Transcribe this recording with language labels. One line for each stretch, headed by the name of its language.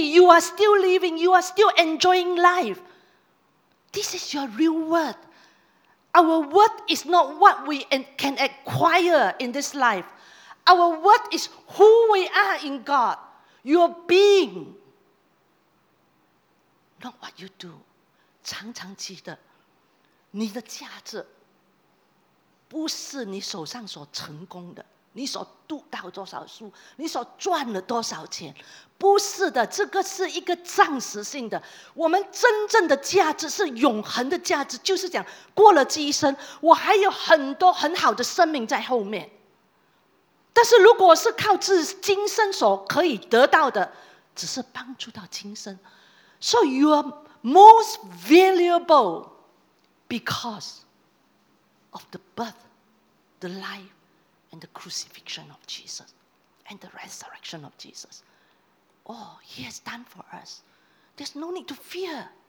English: You are still living. You are still enjoying life. This is your real worth. Our worth is not what we can acquire in this life. Our worth is who we are in God. Your being. Not what you do.
Chinese: 常常记得你的价值不是你手上所成功的你所读到多少书，你所赚了多少钱。不是的，这个是一个暂时性的。我们真正的价值是永恒的价值，就是讲过了这一生，我还有很多很好的生命在后面。但是如果是靠自己今生所可以得到的，只是帮助到今生。
English: So you are most valuable because of the birth, the life, and the crucifixion of Jesus, and the resurrection of Jesus. Oh, he has done for us. There's no need to fear.